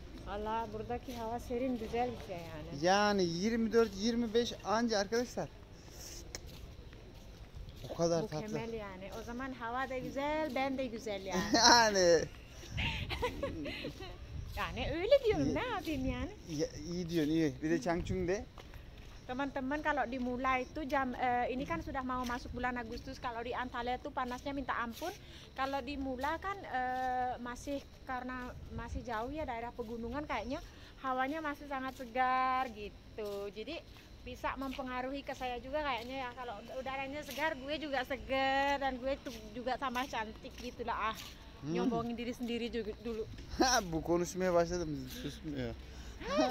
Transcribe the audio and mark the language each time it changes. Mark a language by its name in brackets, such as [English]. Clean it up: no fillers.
[Turkish] Allah buradaki hava serin güzel bir şey yani. Yani 24-25 anca arkadaşlar. O kadar bu tatlı. Mükemmel yani. O zaman hava da güzel, ben de güzel yani. Yani. Yani öyle diyorum ne yapayım yani. Ya, iyi diyorsun iyi. Bir de Changchun de. [Indonesian] Teman-teman kalau dimulai itu jam ini kan sudah mau masuk bulan Agustus. Kalau di Antalya itu panasnya minta ampun. Kalau dimulai kan masih karena masih jauh ya daerah pegunungan kayaknya hawanya masih sangat segar gitu. Jadi bisa mempengaruhi ke saya juga kayaknya ya kalau udaranya segar gue juga segar dan gue juga sama cantik gitu lah ah. Nyombongin diri sendiri juga dulu. [Turkish] Bu konuşmaya başladım susmuyor.